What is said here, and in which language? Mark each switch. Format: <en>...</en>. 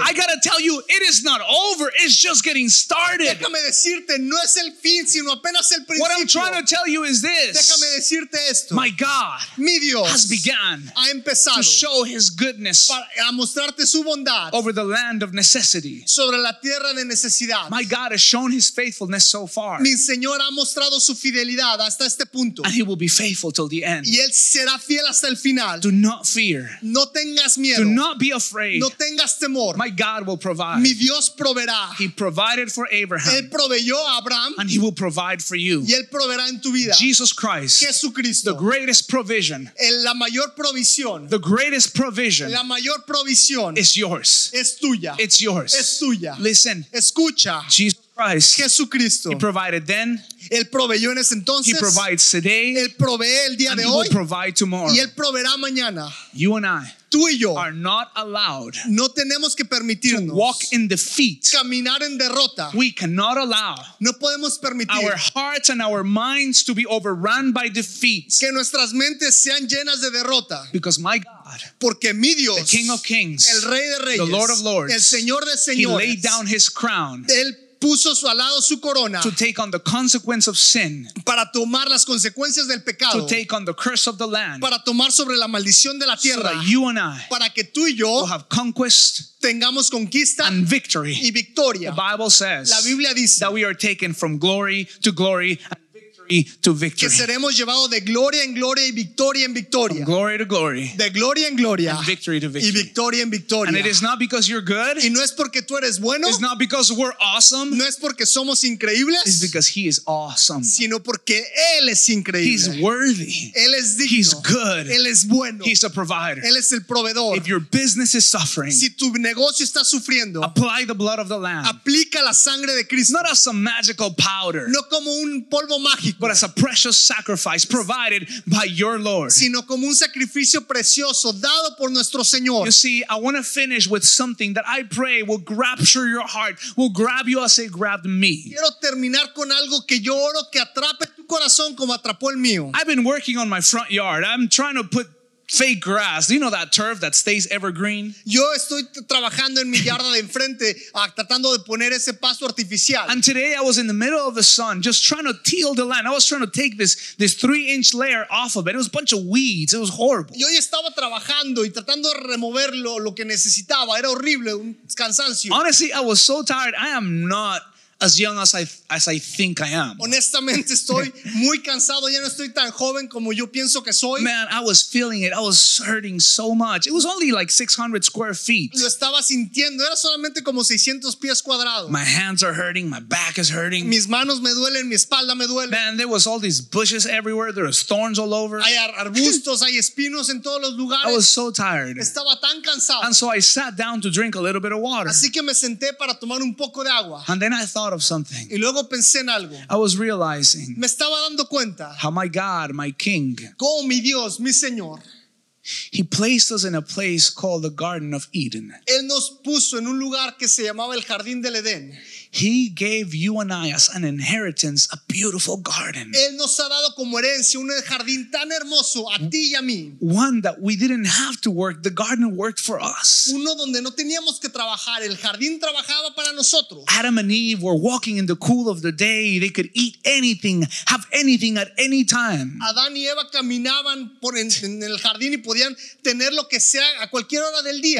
<en>I gotta tell you, it is not over, it's just getting started.</en> <es>Déjame decirte, no es el fin, sino apenas el principio.</es> <en>What I'm trying to tell you is this.</en> <es>Déjame decirte esto.</es> <en>My God,</en> <es>mi Dios,</es> <en>has begun,</en> <es>ha empezado,</es> <en>to show his goodness,</en> <es>para mostrarte su bondad,</es> <en>over the land of necessity,</en> <es>sobre la tierra de necesidad.</es> <en>My God has shown his faithfulness so far.</en> <es>Mi Señor ha mostrado su fidelidad hasta este punto.</es> <en>And he will be faithful till the end.</en> <es>Y él será fiel hasta el final.</es> <en>Do not fear.</en> <es>No tengas miedo.</es> <en>Do not be afraid.</en> <es>No tengas temor.</es> <en>My God will provide.</en> <es>Mi Dios proveerá.</es> <en>He provided for Abraham.</en> <es>Él proveyó a Abraham.</es> <en>And he will provide for you.</en> <es>Y él proveerá en tu vida.</es> <en>Jesus Christ.</en> <es>Jesucristo.</es> <en>The greatest provision.</en> <es>La mayor provisión.</es> <en>The greatest provision.</en> <es>La mayor provisión.</es> <en>Is yours.</en> <es>Es tuya.</es> <en>It's yours.</en> <es>Es tuya.</es> <en>Listen.</en> <es>Escucha.</es> <en>Jesus Christ.</en> <es>Jesucristo.</es> <en>He provided then.</en> <es>Él proveyó en ese entonces.</es> <en>He provides today.</en> <es>Él provee el día</es> <en>and</en> <es>de</es> <en>he</en> <es>hoy.</es> <en>Will provide tomorrow.</en> <es>Y él proveerá mañana.</es> <en>You and I.</en> <es>Tú y yo.</es> <en>Are not allowed.</en> <es>No tenemos que permitirnos.</es> <en>To walk in defeat.</en> <es>Caminar en derrota.</es> <en>We cannot allow.</en> <es>No podemos permitir.</es> <en>Our hearts and our minds to be overrun by defeat.</en> <es>Que nuestras mentes sean llenas de derrota.</es> <en>Because my God.</en> <es>Porque mi Dios.</es> <en>The King of Kings.</en> <es>El Rey de Reyes.</es> <en>The Lord of Lords.</en> <es>El Señor de Señores.</es> <en>He laid down his crown.</en> <es>Él puso su al lado su corona,</es> <en>to take on the consequence of sin,</en> <es>para tomar las consecuencias del pecado,</es> <en>to take on the curse of the land,</en> <es>para tomar sobre la maldición de la tierra,</es> <en>so that you and I,</en> <es>para que tú y yo,</es> <en>will have conquest,</en> <es>tengamos conquista,</es> <en>and victory,</en> <es>y victoria.</es> <en>The Bible says,</en> <es>la Biblia dice,</es> <en>that we are taken from glory to glory, and to victory.</en> <es>Que seremos llevados de gloria en gloria y victoria en victoria.</es> <en>From glory to glory.</en> <es>De gloria en gloria.</es> <en>And victory to victory.</en> <es>Y victoria en victoria.</es> <en>And it is not because you're good.</en> <es>Y no es porque tú eres bueno.</es> <en>It's not because we're awesome.</en> <es>No es porque somos increíbles.</es> <en>It's because he is awesome.</en> <es>Sino porque él es increíble.</es> <en>He's worthy.</en> <es>Él es digno.</es> <en>He's good.</en> <es>Él es bueno.</es> <en>He's a provider.</en> <es>Él es el proveedor.</es> <en>If your business is suffering,</en> <es>si tu negocio está sufriendo,</es> <en>apply the blood of the Lamb.</en> <es>Aplica la sangre de Cristo.</es> <en>Not as some magical powder.</en> <es>No como un polvo mágico.</es> <en>But as a precious sacrifice provided by your Lord.</en> <es>Sino como un sacrificio precioso dado por nuestro Señor.</es> <en>You see, I want to finish with something that I pray will rapture your heart, will grab you as it grabbed me.</en> <es>Quiero terminar con algo que yo oro que atrape tu corazón como atrapó el mío.</es> <en>I've been working on my front yard. I'm trying to put fake grass. Do you know that turf that stays evergreen?</en> <es>Yo estoy trabajando en mi yarda de enfrente, tratando de poner ese pasto artificial.</es> <en>And today I was in the middle of the sun, just trying to till the land. I was trying to take this 3-inch layer off of it. It was a bunch of weeds. It was horrible.</en> <es>Yo estaba trabajando y tratando de remover lo que necesitaba. Era horrible, un cansancio.</es> <en>Honestly, I was so tired. I am not as young as I think I am.</en> <es>Honestamente, estoy muy cansado. Ya no estoy tan joven como yo pienso que soy.</es> <en>Man, I was feeling it. I was hurting so much. It was only like 600 square feet.</en> <es>Lo estaba sintiendo. Era solamente como 600 pies cuadrados.</es> <en>My hands are hurting. My back is hurting.</en> <es>Mis manos me duelen. Mi espalda me duele.</es> <en>Man, there was all these bushes everywhere. There was thorns all over.</en> <es>Hay arbustos. Hay espinos en todos los lugares.</es> <en>I was so tired.</en> <es>Estaba tan cansado.</es> <en>And so I sat down to drink a little bit of water.</en> <es>Así que me senté para tomar un poco de agua.</es> <en>And then I thought of something.</en> <es>Y luego pensé en algo.</es> <en>I was realizing,</en> <es>me estaba dando cuenta,</es> <en>how my God, my King,</en> <es>como mi Dios, mi Señor,</es> <en>he placed us in a place called the Garden of Eden.</en> <es>Él nos puso en un lugar que se llamaba el Jardín del Edén.</es> <en>He gave you and I as an inheritance a beautiful garden.</en> <es>Él nos ha dado como herencia un jardín tan hermoso a ti y a mí.</es> <en>One that we didn't have to work. The garden worked for us.</en> <es>Uno donde no teníamos que trabajar. El jardín trabajaba para nosotros.</es> <en>Adam and Eve were walking in the cool of the day. They could eat anything, have anything at any time.</en> <es>Adán y Eva caminaban por en el jardín y podían tener lo que sea a cualquier hora del día.</es>